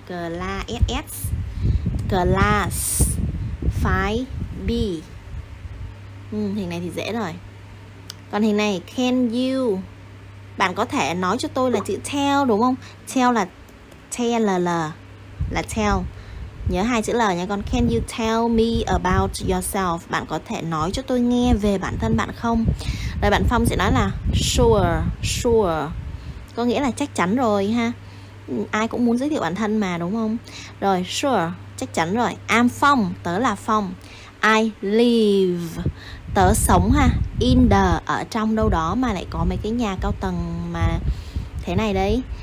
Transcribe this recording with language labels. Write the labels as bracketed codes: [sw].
[en] Class. Class 5B. [vi] Hình này thì dễ rồi. Còn hình này, [en] can you, [vi] bạn có thể nói cho tôi là chữ tell đúng không? Tell là T-L-L, là tell. Nhớ hai chữ L nha con. [en] Can you tell me about yourself? [vi] Bạn có thể nói cho tôi nghe về bản thân bạn không? Rồi bạn Phong sẽ nói là sure. Có nghĩa là chắc chắn rồi ha. Ai cũng muốn giới thiệu bản thân mà đúng không? Rồi sure, chắc chắn rồi. [en] I'm Phong, [vi] tớ là Phong. [en] I live, [vi] tớ sống ha. [en] In the, [vi] ở trong đâu đó mà lại có mấy cái nhà cao tầng mà thế này đấy.